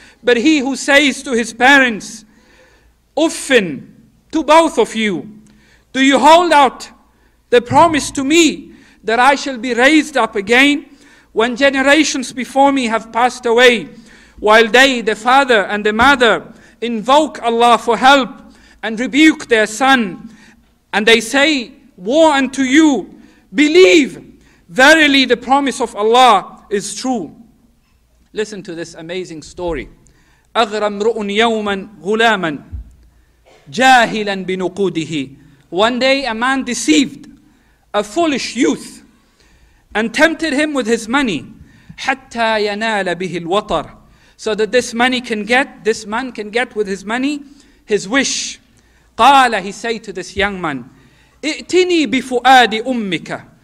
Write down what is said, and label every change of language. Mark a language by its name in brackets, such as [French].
[English] But he who says to his parents, أفن, to both of you, do you hold out the promise to me that I shall be raised up again when generations before me have passed away, while they, the father and the mother, invoke Allah for help and rebuke their son, and they say, war unto you, believe, verily the promise of Allah is true. Listen to this amazing story. [Arabic] أغرى امرؤ يوما غلاما جاهلا بنقوده. [English] One day a man deceived a foolish youth and tempted him with his money, [Arabic] حتى ينال به الوطر, [English] so that this man can get with his money his wish. قال, he said to this young man, [Arabic] ائتني بفؤاد أمك,